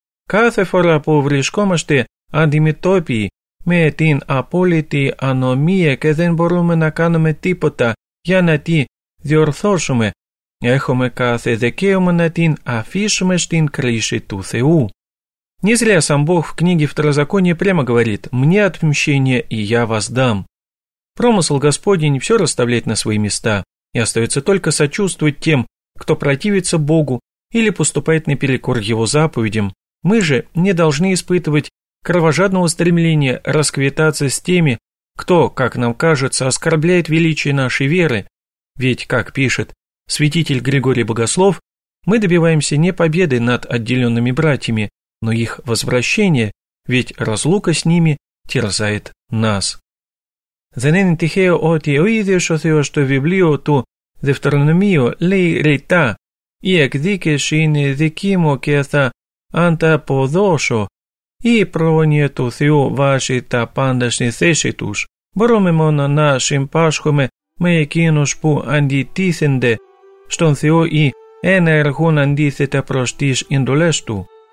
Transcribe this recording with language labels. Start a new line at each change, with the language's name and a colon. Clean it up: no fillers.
Greek: Κάθε φορά που βρισκόμαστε αντιμετώπιοι με την απόλυτη ανομία και δεν μπορούμε να κάνουμε τίποτα για να τη διορθώσουμε, έχουμε κάθε δικαίωμα να την αφήσουμε στην κρίση του Θεού.
Russian: Не зря сам Бог в книге Второзаконие прямо говорит «Мне отмщение, и я вас дам». Промысл Господень все расставляет на свои места, и остается только сочувствовать тем, кто противится Богу или поступает наперекор Его заповедям. Мы же не должны испытывать кровожадного стремления расквитаться с теми, кто, как нам кажется, оскорбляет величие нашей веры. Ведь, как пишет святитель Григорий Богослов, мы добиваемся не победы над отделенными братьями, но их возвращения, ведь разлука с ними терзает нас.
Greek: Δεν είναι τυχαίο ότι ο ίδιος ο Θεός στο βιβλίο του Δευτερονομίου λέει ρητά «Η εκδίκηση είναι δική μου και θα ανταποδώσω» ή «Πρόνοια του Θεού βάζει τα πάντα στη θέση τους». Μπορούμε μόνο να συμπάσχουμε με εκείνους που αντιτίθενται στον Θεό ή ενεργούν αντίθετα προς τις εντολές Του.